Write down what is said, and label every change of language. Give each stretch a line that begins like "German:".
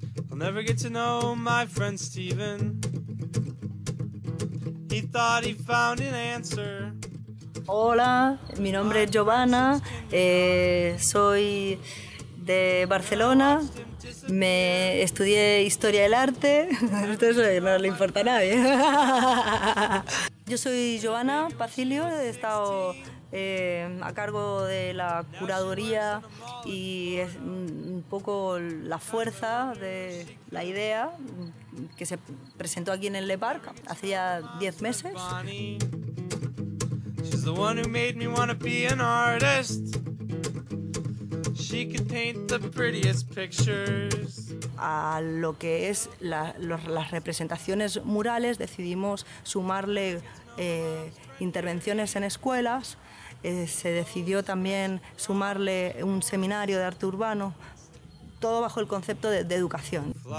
English: I'll never get to know my friend Steven. He thought he found an answer.
Spanish: Hola, mi nombre es Giovanna, soy de Barcelona, me estudié Historia del Arte, esto no le importa a nadie. Yo soy Giovanna Pacilio, he estado a cargo de la curaduría y es un poco la fuerza de la idea que se presentó aquí en el Le Parc hacía 10 meses.
English: She's the one who made me want to be an artist. She can paint the prettiest pictures.
Spanish: A lo que es las representaciones murales decidimos sumarle intervenciones en escuelas. Se decidió también sumarle un seminario de arte urbano, todo bajo el concepto de educación.